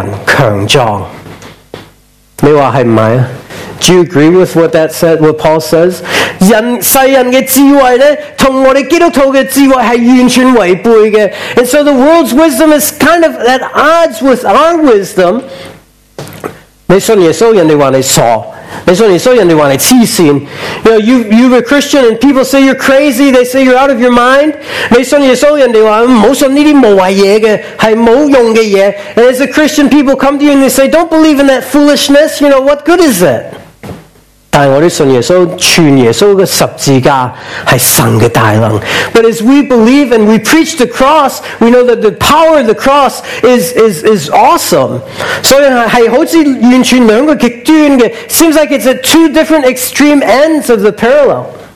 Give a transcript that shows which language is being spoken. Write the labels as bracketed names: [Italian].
[English] you agree with what that said, what Paul says? [Chinese] 世人的智慧跟我们基督徒的智慧是完全违背的。 [English] And so the world's wisdom is kind of at odds with our wisdom. [Chinese] 你信耶稣，人家说你傻。你说你说人家说你痴线, [English] you know, you're a Christian and people say you're crazy, they say you're out of your mind. [Chinese] 你说你说人家说不要信这些无谓的东西,是没用的东西, [English] and as a Christian, people come to you and they say, don't believe in that foolishness, you know, what good is it? [Chinese] 但我们信耶稣,全耶稣的十字架是神的大能。 [English] But as we believe and we preach the cross, we know that the power of the cross is awesome. [Chinese] 所以是好像完全两个极端的, [English] seems like it's at two different extreme ends of the parallel.